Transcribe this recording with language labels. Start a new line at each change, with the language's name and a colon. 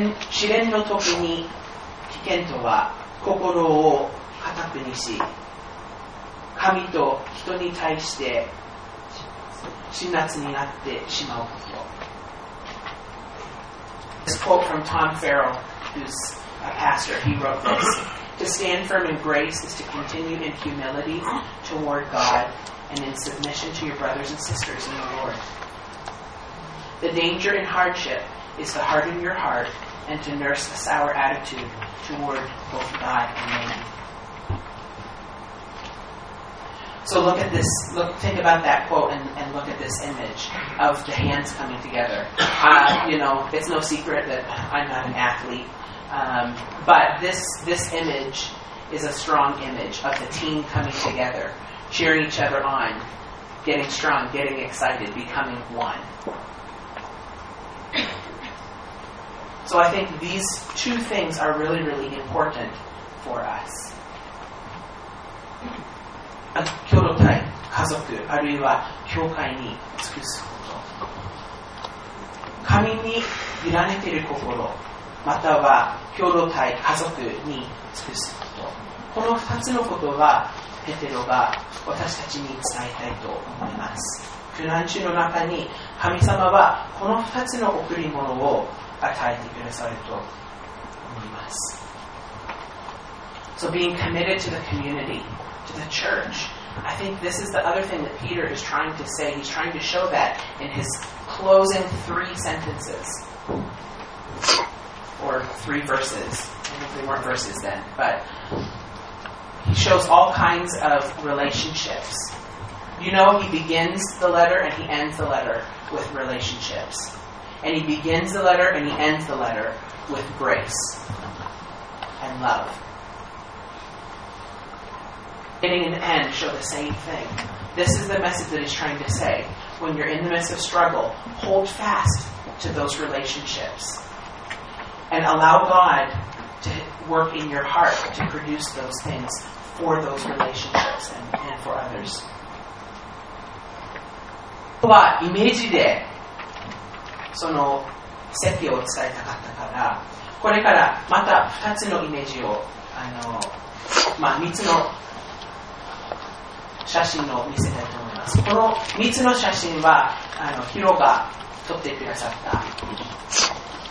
Japanese: 試練の時に危険とは、心を固くにし、神と人に対して辛辣になってしまうこと。
English: This quote from Tom Farrell, who's a pastor, he wrote this. To stand firm in grace is to continue in humility toward God and in submission to your brothers and sisters in the Lord. The danger in hardship is to harden your heart and to nurse a sour attitude toward both God and man. So look at this, look, think about that quote and look at this image of the hands coming together. You know, it's no secret that I'm not an athlete. But this image is a strong image of the team coming together, cheering each other on, getting strong, getting excited, becoming one. So I think these two things are really, really important for us.
Japanese: 共同体、家族、あるいは教会に尽くすこと。神に委ねている心、または共同体、家族に尽くすこと。この2つのことがペテロが私たちに伝えたいと思います。苦難中の中に神様はこの2つの贈り物を与えてくださると思います。
English: So being committed to the community, to the church, I think this is the other thing that Peter is trying to say. He's trying to show that in his closing three sentences or three verses, and if they weren't verses then, but he shows all kinds of relationships. You know, he begins the letter and he ends the letter with relationships. And he begins the letter and he ends the letter with grace and love. Beginning and end show the same thing. This is the message that he's trying to say. When you're in the midst of struggle, hold fast to those relationships. And allow God to work in your heart to produce those things for those relationships and for others.
Japanese: ではイメージでその説教を伝えたかったから、これからまた2つのイメージを3つの写真を見せたいと思います。この3つの写真はヒロが撮ってくださった。